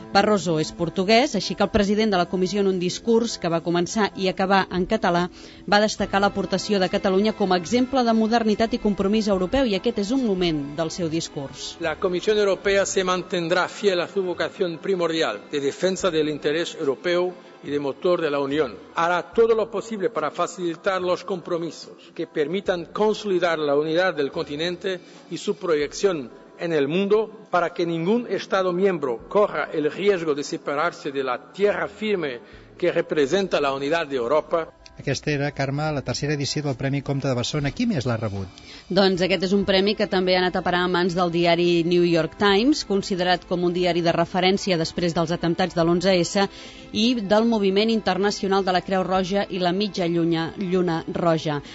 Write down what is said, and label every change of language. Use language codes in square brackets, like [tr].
[ca] Barroso és portuguès, així que el president de la Comissió, en un discurs que va començar i acabar en català, va destacar l'aportació de Catalunya com a exemple de modernitat i compromís europeu, i aquest és un moment del seu discurs. [es] La Comissió Europea se mantendrà fiel a su vocació primordial de defensa [ca] de l'interès europeu [es] y de motor de la Unión. Hará todo lo posible para facilitar los compromisos que permitan consolidar la unidad del continente y su proyección en el mundo para que ningún Estado miembro corra el riesgo de separarse de la tierra firme que representa la unidad de Europa. [ca] Aquesta era, Carme, la tercera edició del Premi Comte de Barcelona. Qui més l'ha rebut? Doncs aquest és un premi que també ha anat a parar a mans del diari New York Times, considerat com un diari de referència després dels atemptats de l'11S i del moviment internacional de la Creu Roja i la Mitja Lluna Roja.